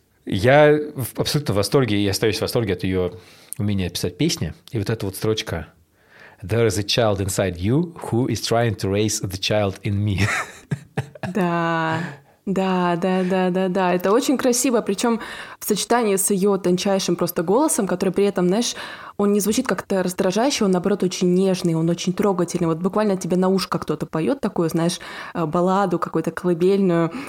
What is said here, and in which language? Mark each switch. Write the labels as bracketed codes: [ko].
[ru] Я абсолютно в восторге, и остаюсь в восторге от ее умения писать песни. И вот эта вот строчка [en] «There is a child inside you who is trying to raise the child in me». [ru] Да. Это очень красиво, причем в сочетании с ее тончайшим просто голосом, который при этом, знаешь, он не звучит как-то раздражающе, он, наоборот, очень нежный, он очень трогательный. Вот буквально тебе на ушко кто-то поет такую, знаешь, балладу какую-то колыбельную.